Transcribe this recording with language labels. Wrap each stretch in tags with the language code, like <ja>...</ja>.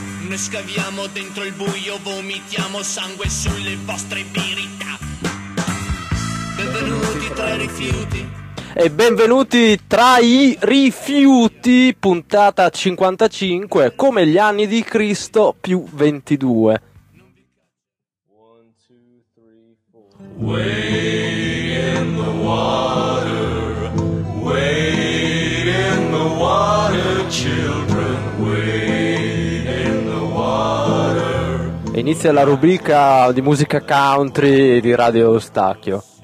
<it>Noi scaviamo dentro il buio, vomitiamo sangue sulle vostre birità. Benvenuti tra i rifiuti. E benvenuti tra i rifiuti, puntata 55, come gli anni di Cristo più 22.</it> <en>Way in the water, way in the water, children, way in the water.</en> <it>Inizia la rubrica di musica country di Radio Eustachio.</it>